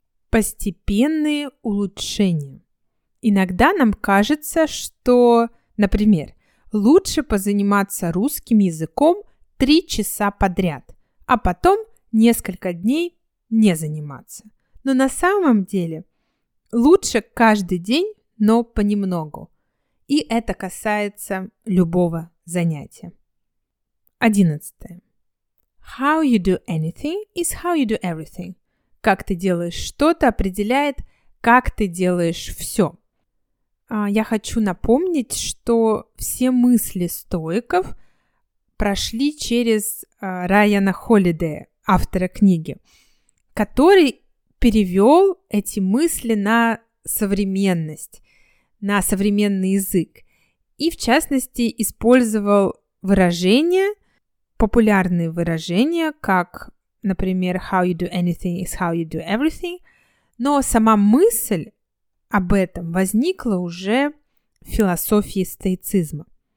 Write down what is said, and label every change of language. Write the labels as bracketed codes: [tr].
[ru] Постепенные улучшения. Иногда нам кажется, что, например, лучше позаниматься русским языком 3 часа подряд, а потом несколько дней не заниматься. Но на самом деле лучше каждый день, но понемногу. И это касается любого занятия. 11. [en] How you do anything is how you do everything. [ru] Как ты делаешь что-то определяет, как ты делаешь все. я хочу напомнить, что все мысли стоиков прошли через Райана Холидея, автора книги, который перевел эти мысли на современность, на современный язык, и, в частности, использовал выражения, популярные выражения, как, например, [en] «how you do anything is how you do everything», [ru] но сама мысль об этом возникла уже в философии стоицизма.